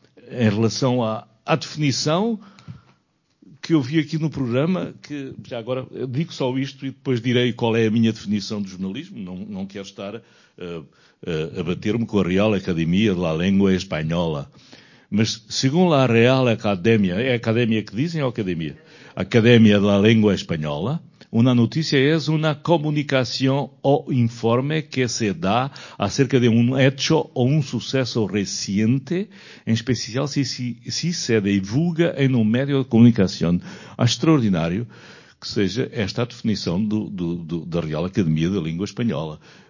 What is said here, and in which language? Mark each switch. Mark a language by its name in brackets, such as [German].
[Portuguese] Em relação à definição que eu vi aqui no programa, que já agora digo só isto e depois direi qual é a minha definição de jornalismo, não quero estar a bater-me com a Real Academia de la Lengua Española. Mas, segundo a Real Academia, é a Academia que dizem ou a Academia? [Spanish] Academia de la Lengua Española, una noticia es una comunicación o informe que se da acerca de un hecho o un suceso reciente, en especial si se divulga en un medio de comunicación. [Portuguese] Acho extraordinário que seja esta a definição da Real Academia da Língua Espanhola.